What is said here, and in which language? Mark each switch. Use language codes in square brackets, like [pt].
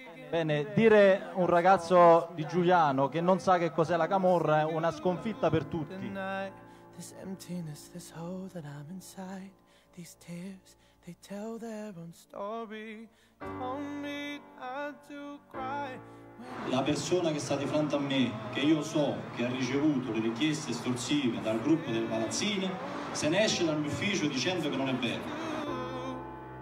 [it] Bene, dire un ragazzo di Giugliano che non sa che cos'è la camorra è una sconfitta per tutti. [en] This emptiness, this hole that I'm inside, these tears, they tell their own story. Told me not to cry. [it] La persona che sta di fronte a me, che io so che ha ricevuto le richieste estorsive dal gruppo delle palazzine, se ne esce dal mio ufficio dicendo che non è vero.